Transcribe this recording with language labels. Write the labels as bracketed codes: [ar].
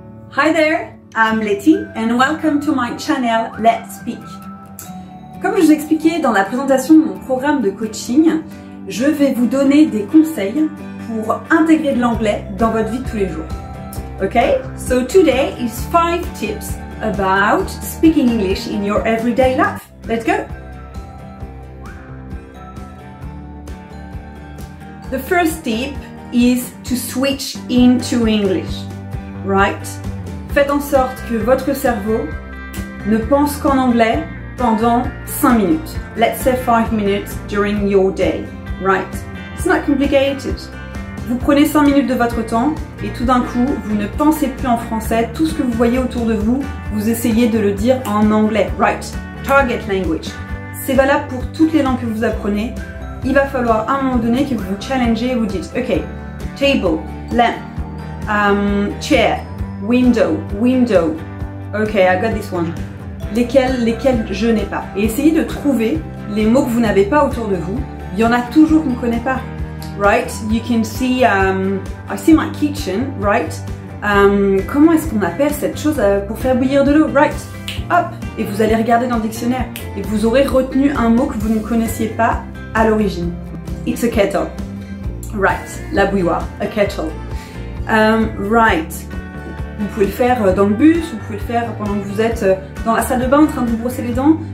[en] Hi there, I'm Letty and welcome to my channel Let's Speak. [fr] Comme je vous expliquais dans la présentation de mon programme de coaching, je vais vous donner des conseils pour intégrer de l'anglais dans votre vie de tous les jours. [en] Ok? So today is 5 tips about speaking English in your everyday life. Let's go! The first tip is to switch into English, right? [fr] Faites en sorte que votre cerveau ne pense qu'en anglais pendant 5 minutes. [en] Let's say 5 minutes during your day, right? It's not complicated. [fr] Vous prenez 5 minutes de votre temps et tout d'un coup, vous ne pensez plus en français. Tout ce que vous voyez autour de vous, vous essayez de le dire en anglais, [en] right? Target language. [fr] C'est valable pour toutes les langues que vous apprenez. Il va falloir à un moment donné que vous vous challengez et vous dites « [en] Ok, table, lamp, chair, window, window, ok, I got this one. [fr] » Lesquels je n'ai pas. Et essayez de trouver les mots que vous n'avez pas autour de vous. Il y en a toujours qu'on ne connaît pas. [en] Right, you can see, I see my kitchen, right. [fr] Comment est-ce qu'on appelle cette chose pour faire bouillir de l'eau, right. Hop, et vous allez regarder dans le dictionnaire. Et vous aurez retenu un mot que vous ne connaissiez pas à l'origine. [en] It's a kettle. [fr] Right, la bouilloire, a kettle. Right, vous pouvez le faire dans le bus, vous pouvez le faire pendant que vous êtes dans la salle de bain en train de vous brosser les dents.